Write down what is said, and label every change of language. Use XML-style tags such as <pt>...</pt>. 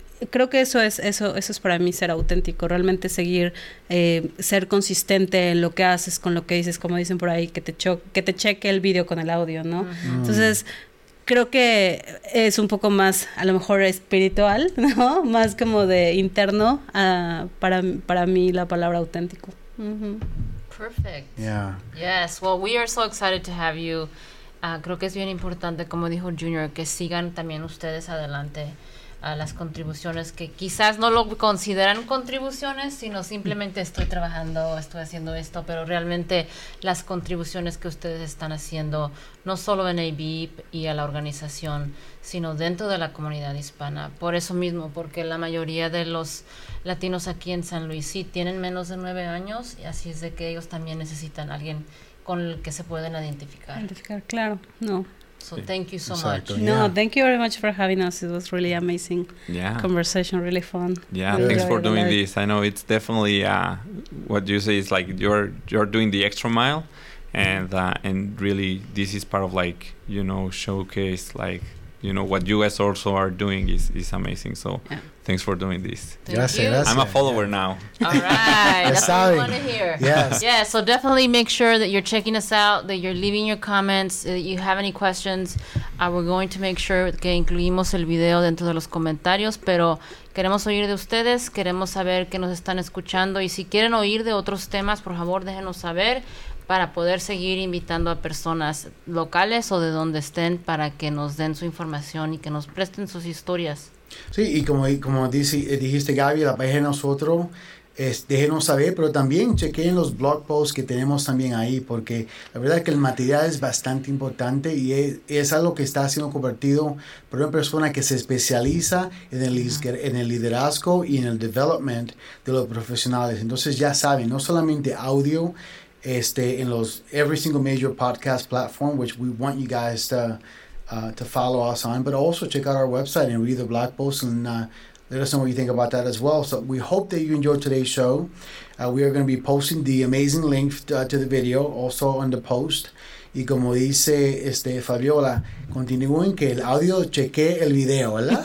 <es>Creo que eso es para mí ser auténtico, realmente seguir, ser consistente en lo que haces, con lo que dices, como dicen por ahí, que te cheque el video con el audio, ¿no? Uh-huh. Entonces, creo que es un poco más, a lo mejor, espiritual, ¿no? Más como de interno, para mí la palabra auténtico.</es> <en>Mm-hmm. Perfect. Yeah. Yes, well, we are so excited to have you.</en> <es>Creo que es bien importante, como dijo Junior, que sigan también ustedes adelante. a las contribuciones que quizás no lo consideran contribuciones, sino simplemente estoy trabajando, estoy haciendo esto, pero realmente las contribuciones que ustedes están haciendo, no solo en AB y a la organización, sino dentro de la comunidad hispana. Por eso mismo, porque la mayoría de los latinos aquí en San Luis sí tienen menos de 9 años, y así es de que ellos también necesitan a alguien con el que se pueden identificar. Identificar, claro, no.</es> <en>So thank you so much. No, thank you very much for having us. It was really amazing conversation, really fun. Yeah, thanks for doing this. I know it's definitely what you say is like you're doing the extra mile, and really this is part of like, you know, showcase like, you know, what you guys also are doing is amazing. So thanks for doing this. Thank you. I'm a follower now. All right. That's what we want to hear. Yes. Yeah, so definitely make sure that you're checking us out, that you're leaving your comments, that you have any questions. We're going to make sure</en> <es>que incluimos el video dentro de los comentarios, pero queremos oír de ustedes, queremos saber que nos están escuchando, y si quieren oír de otros temas, por favor, déjenos saber para poder seguir invitando a personas locales o de donde estén para que nos den su información y que nos presten sus historias. Sí, y como dijiste Gaby, la página de nosotros, déjenos saber, pero también chequeen los blog posts que tenemos también ahí, porque la verdad es que el material es bastante importante y es algo que está siendo convertido por una persona que se especializa en el liderazgo y en el development de los profesionales. Entonces ya saben, no solamente audio, en los</es> <en>every single major podcast platform, which we want you guys to follow us on, but also check out our website and read the blog post and let us know what you think about that as well. So we hope that you enjoyed today's show. We are going to be posting the amazing link to the video also on the post.</en> <es>Y como dice Fabiola, continúen que el audio chequee el video, ¿verdad?</es>